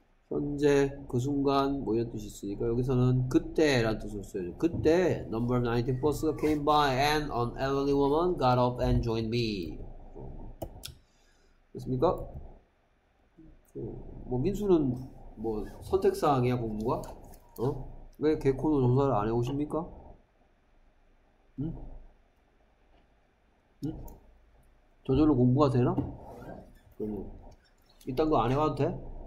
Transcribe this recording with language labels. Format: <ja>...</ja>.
<ko>현재 그 순간 뭐 이런 뜻이 있으니까 여기서는 그때라는 뜻을 써야죠. 그때</ko> <en>number 19</en> <ko>버스가</ko> <en>came by and an elderly woman got up and joined me.</en> <ko>됐습니까? 뭐 민수는 뭐 선택사항이야 공부가? 어? 왜 개코너 조사를 안 해오십니까? 응? 응? 저절로 공부가 되나? 그러면 이딴 거안 해봐도 돼?</ko>